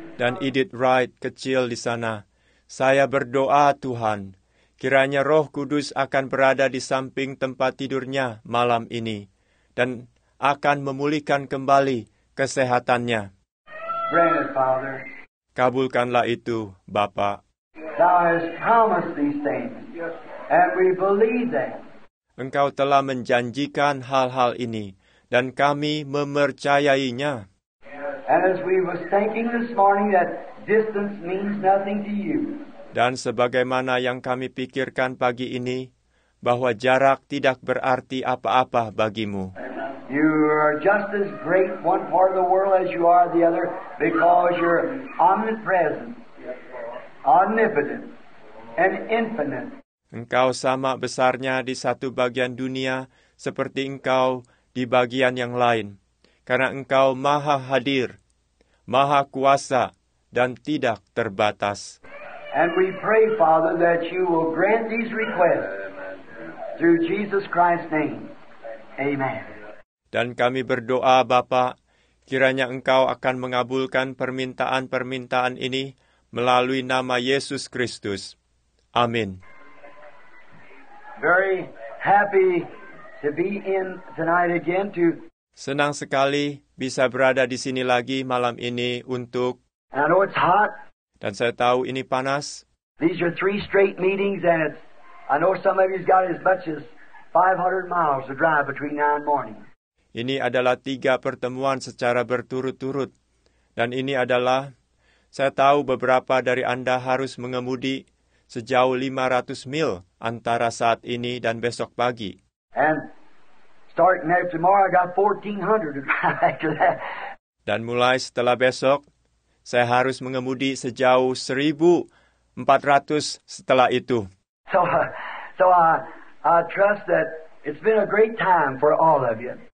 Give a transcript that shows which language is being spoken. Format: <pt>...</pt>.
<id>Dan Edith Wright kecil di sana, saya berdoa, Tuhan, kiranya Roh Kudus akan berada di samping tempat tidurnya malam ini dan akan memulihkan kembali kesehatannya.</id> <en>Father,</en> <id>kabulkanlah itu, Bapa.</id> <en>Thou hast promised these things, and we believe that.</en> <id>Engkau telah menjanjikan hal-hal ini, dan kami mempercayainya.</id> <en>And as we was thinking this morning that distance means nothing to you.</en> <id>Dan sebagaimana yang kami pikirkan pagi ini, bahwa jarak tidak berarti apa-apa bagimu.</id> <en>You are just as great one part of the world as you are the other because you're omnipresent, omnipotent, and infinite.</en> <id>Engkau sama besarnya di satu bagian dunia seperti engkau di bagian yang lain, karena engkau maha hadir, maha kuasa, dan tidak terbatas.</id> <en>And we pray, Father, that you will grant these requests through Jesus Christ's name. Amen.</en> <id>Dan kami berdoa, Bapa, kiranya Engkau akan mengabulkan permintaan-permintaan ini melalui nama Yesus Kristus. Amin.</id> <en>Very happy to be in tonight again to.</en> <id>Senang sekali bisa berada di sini lagi malam ini untuk.</id> <en>And I know it's hot.</en> <id>Dan saya tahu ini panas.</id> <en>These are three straight meetings, and it's, I know some of you's got as much as 500 miles to drive between now and morning.</en> <id>Ini adalah tiga pertemuan secara berturut-turut. Dan ini adalah, saya tahu beberapa dari Anda harus mengemudi sejauh 500 mil antara saat ini dan besok pagi.</id> <en>And starting there tomorrow, I got 1,400 to drive after that.</en> <id>Dan mulai setelah besok, saya harus mengemudi sejauh 1,400 setelah itu.</id> <en>So I trust that It's been a great time for all of you.</en>